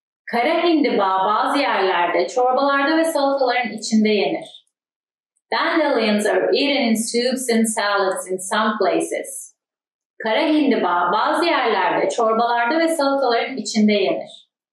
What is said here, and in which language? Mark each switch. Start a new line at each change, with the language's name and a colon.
Turkish: Kara hindiba bazı yerlerde çorbalarda ve salataların içinde yenir.
English: Dandelions are eaten in soups and salads in some places.
Turkish: Kara hindiba bazı yerlerde çorbalarda ve salataların içinde yenir.